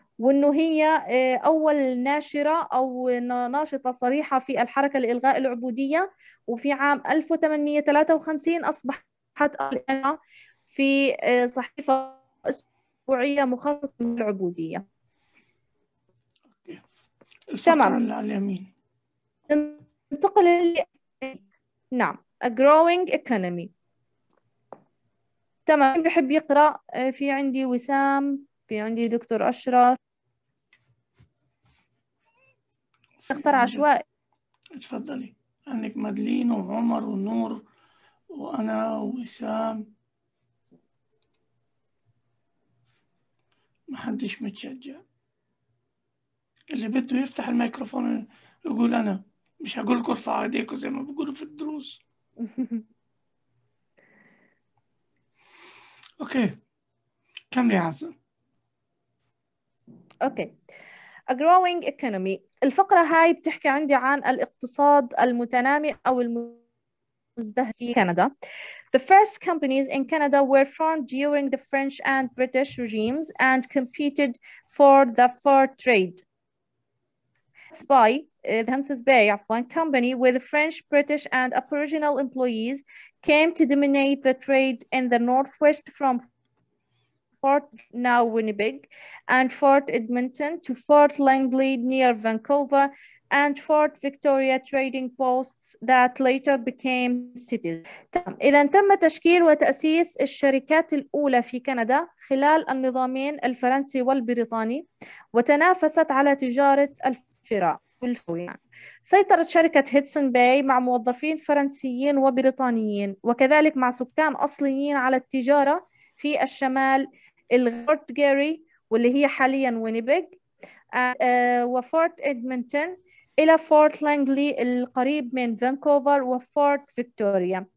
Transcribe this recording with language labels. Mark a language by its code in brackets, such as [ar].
[ar] وانه هي اول ناشره او ناشطه صريحه في الحركه لالغاء العبوديه، وفي عام 1853 اصبحت في صحيفه اسبوعيه مخصصه للعبوديه. الفقرة تمام، على اليمين. ننتقل نعم [en] A growing economy. [ar] تمام، بحب يقرأ؟ في عندي وسام، في عندي دكتور أشرف. في اختار عندك، عشوائي. اتفضلي، عندك مادلين وعمر ونور وأنا ووسام، محدش متشجع. اللي بده يفتح الميكروفون يقول أنا، مش هقول لكم ارفعوا ايديكم زي ما بيقولوا في الدروس. أوكي، كملي يا عزة. [en] Okay. A growing economy. [ar] الفقرة هاي بتحكي عندي عن الاقتصاد المتنامي أو المزدهر في كندا. [en] The first companies in Canada were formed during the French and British regimes and competed for the fur trade. Spy, the Hudson's Bay, one company with French, British and Aboriginal employees came to dominate the trade in the northwest from Fort now Winnipeg and Fort Edmonton to Fort Langley near Vancouver and Fort Victoria trading posts that later became cities. [ar] إذا تم تشكيل وتأسيس الشركات الأولى في كندا خلال النظامين الفرنسي والبريطاني وتنافست على تجارة الفراء والخوي. سيطرت شركة هيدسون باي مع موظفين فرنسيين وبريطانيين وكذلك مع سكان أصليين على التجارة في الشمال الفورت جيري واللي هي حاليا وينيبيغ وفورت ادمنتون الى فورت لانجلي القريب من فانكوفر وفورت فيكتوريا.